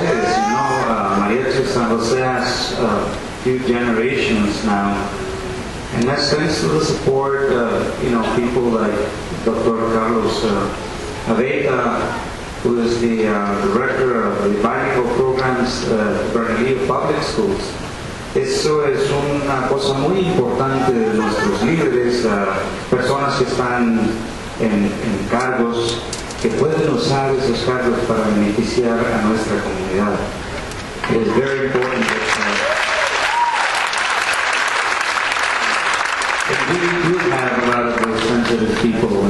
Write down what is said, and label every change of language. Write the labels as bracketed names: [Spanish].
[English] As you know, Mariachi San Jose has a few generations now. And that's thanks to the support of people like Dr. Carlos Aveda, who is the director of the bilingual programs at Bernalillo Public Schools. [Spanish] Eso es una cosa muy importante de nuestros líderes, personas que están en cargos, que pueden usar esos cargos para beneficiar a nuestra comunidad. [English] It's very important that we do have a lot of those sensitive people.